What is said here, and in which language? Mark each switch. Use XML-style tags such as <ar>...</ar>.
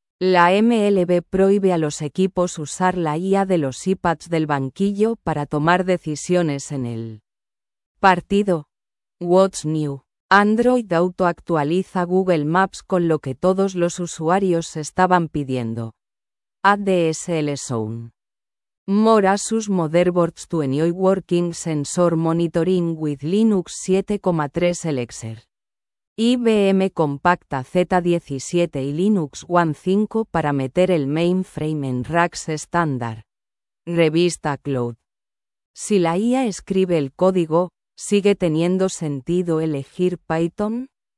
<es>La MLB prohíbe a los equipos usar la IA de los iPads del banquillo para tomar decisiones en el partido.</es> <en>What's new?</en> <es>Android Auto actualiza Google Maps con lo que todos los usuarios estaban pidiendo. ADSL Zone.</es> <en>More Asus motherboards to enjoy working sensor monitoring with Linux 7.3 Elixir.</en> <es>IBM compacta Z17 y Linux One 5 para meter el mainframe en racks estándar. Revista Cloud. Si la IA escribe el código, ¿sigue teniendo sentido elegir Python?</es>